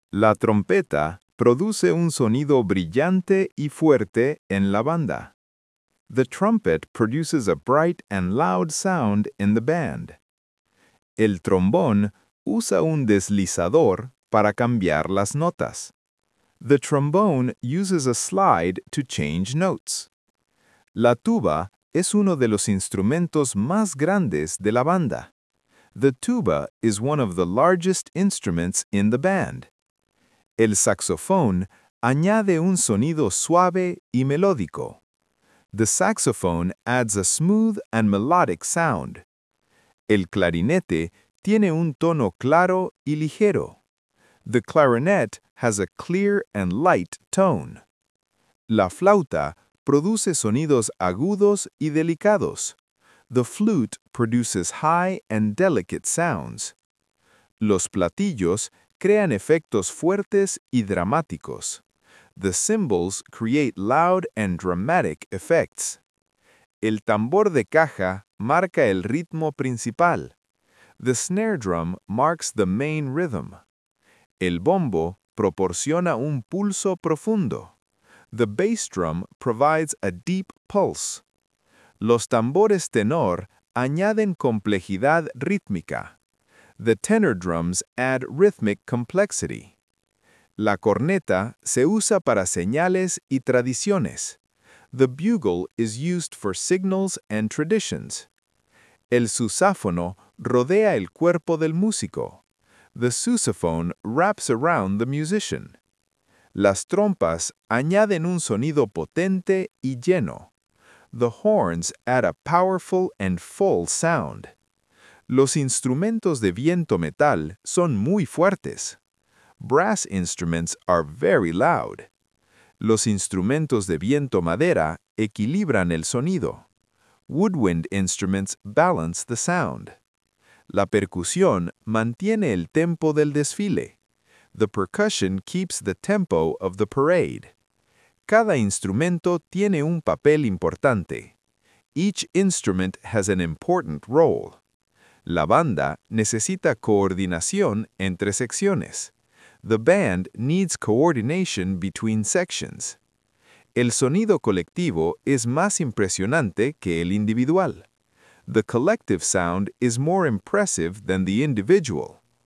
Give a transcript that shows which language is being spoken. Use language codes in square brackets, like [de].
[es] La trompeta produce un sonido brillante y fuerte en la banda. [en] The trumpet produces a bright and loud sound in the band. [es] El trombón usa un deslizador para cambiar las notas. [en] The trombone uses a slide to change notes. [es] La tuba es uno de los instrumentos más grandes de la banda. [en] The tuba is one of the largest instruments in the band. [es] El saxofone añade un sonido suave y melódico. [en] The saxophone adds a smooth and melodic sound. [es] El clarinete tiene un tono claro y ligero. [en] The clarinet has a clear and light tone. [es] La flauta produce sonidos agudos y delicados. [en] The flute produces high and delicate sounds. [es] Los platillos crean efectos fuertes y dramáticos. [en] The cymbals create loud and dramatic effects. [es] El tambor de caja marca el ritmo principal. [en] The snare drum marks the main rhythm. [es] El bombo proporciona un pulso profundo. [en] The bass drum provides a deep pulse. [es] Los tambores tenor añaden complejidad rítmica. [en] The tenor drums add rhythmic complexity. [es] La corneta se usa para señales y tradiciones. [en] The bugle is used for signals and traditions. [es] El sousáfono rodea el cuerpo del músico. [en] The sousaphone wraps around the musician. [es] Las trompas añaden un sonido potente y lleno. [en] The horns add a powerful and full sound. [es] Los instrumentos de viento metal son muy fuertes. [en] Brass instruments are very loud. [es] Los instrumentos de viento madera equilibran el sonido. [en] Woodwind instruments balance the sound. [es] La percusión mantiene el tempo del desfile. [en] The percussion keeps the tempo of the parade. [es] Cada instrumento tiene un papel importante. [en] Each instrument has an important role. [es] La banda necesita coordinación entre secciones. [en] The band needs coordination between sections. [es] El sonido colectivo es más impresionante que el individual. [en] The collective sound is more impressive than the individual.